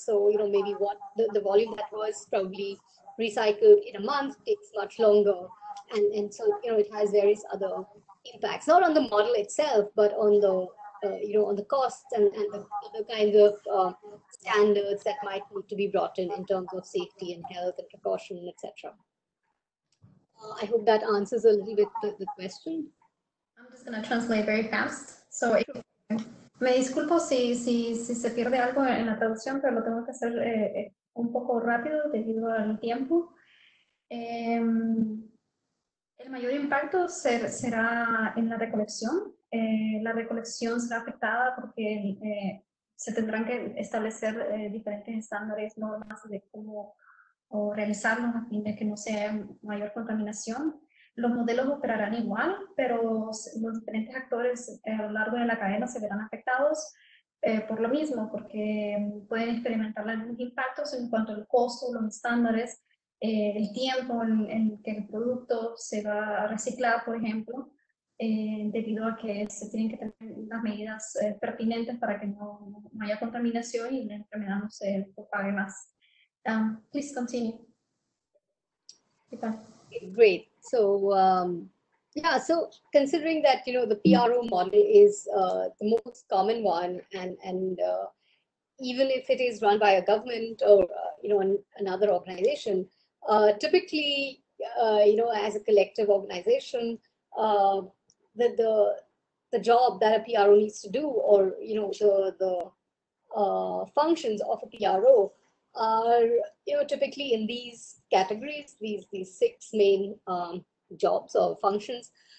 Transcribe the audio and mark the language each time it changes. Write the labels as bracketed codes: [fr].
[en] So maybe what the volume that was probably recycled in a month takes much longer, and so it has various other impacts, not on the model itself, but on the on the costs and the other kinds of standards that might need to be brought in terms of safety and health and precaution, etc. I hope that answers a little bit the question. I'm just gonna translate very fast. [es] So me disculpo si se pierde algo en la traducción, pero lo tengo que hacer un poco rápido debido al tiempo. El mayor impacto será en la recolección. La recolección será afectada porque se tendrán que establecer diferentes estándares, normas de cómo o realizarlos a fin de que no sea mayor contaminación. Los modelos operarán igual, pero los diferentes actores a lo largo de la cadena se verán afectados por lo mismo, porque pueden experimentar algunos impactos en cuanto al costo, los estándares, el tiempo en que el producto se va a reciclar, por ejemplo, debido a que se tienen que tener las medidas pertinentes para que no haya contaminación y la enfermedad no se propague más. [en] Please continue. Great. So, yeah, so considering that, you know, the PRO model is the most common one, and even if it is run by a government or, you know, another organization, typically, you know, as a collective organization, the job that a PRO needs to do, or, you know, the functions of a PRO are, you know, typically in these categories, these six main jobs or functions.